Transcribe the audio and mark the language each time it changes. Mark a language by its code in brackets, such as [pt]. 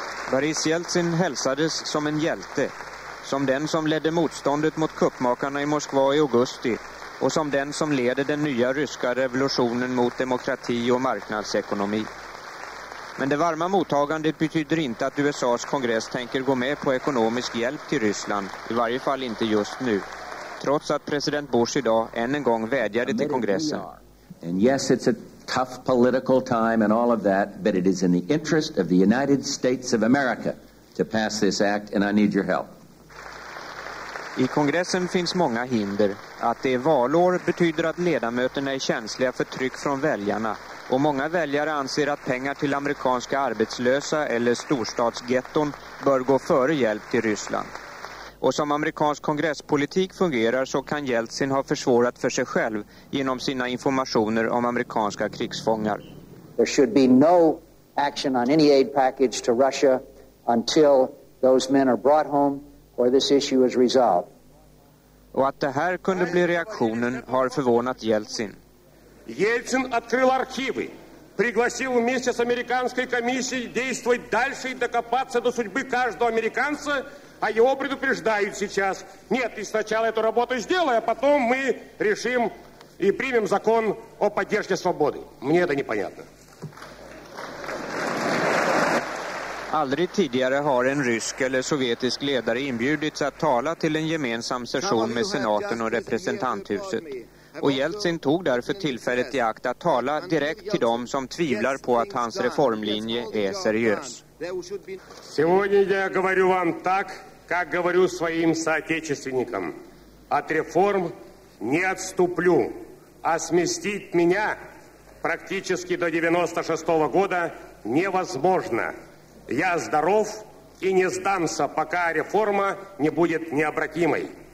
[sv] Boris Jeltsin hälsades som en hjälte, som den som ledde motståndet mot kuppmakarna i Moskva i augusti och som den som leder den nya ryska revolutionen mot demokrati och marknadsekonomi. Men det varma mottagandet betyder inte att USA:s kongress tänker gå med på ekonomisk hjälp till Ryssland, i varje fall inte just nu. Trots att president Bush idag än en gång vädjade till kongressen. [en] And yes, it's a tough political time and all of that, but it is in the interest of the United States of America to pass this act and I need your help. [sv] I kongressen finns många hinder. Att det är valår betyder att ledamöterna är känsliga för tryck från väljarna och många väljare anser att pengar till amerikanska arbetslösa eller storstadsgetton bör gå före hjälp till Ryssland. Och som amerikansk kongresspolitik fungerar så kan Jeltsin ha försvårat för sig själv genom sina informationer om amerikanska krigsfångar. [en] There should be no action on any aid package to Russia until those men are brought home or this issue is resolved. [sv] Och att det här kunde bli reaktionen har förvånat Jeltsin. [ru] Jeltsin открыл архивы, пригласил вместе с американской комиссией действовать дальше и докопаться до судьбы каждого американца. А его предупреждают сейчас. Нет, ты сначала эту работу сделай, а потом мы решим и примем закон о поддержке свободы. Мне это непонятно. [sv] Aldrig tidigare har en rysk eller sovjetisk ledare inbjudits att tala till en gemensam session med senaten och representanthuset. Och Jeltsin tog därför tillfället i akt att tala direkt till dem som tvivlar på att hans reformlinje är seriös. [ru] Сегодня я говорю вам так, как говорю своим соотечественникам. От реформ не отступлю, а сместить меня практически до 96 года невозможно. Я здоров и не сдамся, пока реформа не будет необратимой.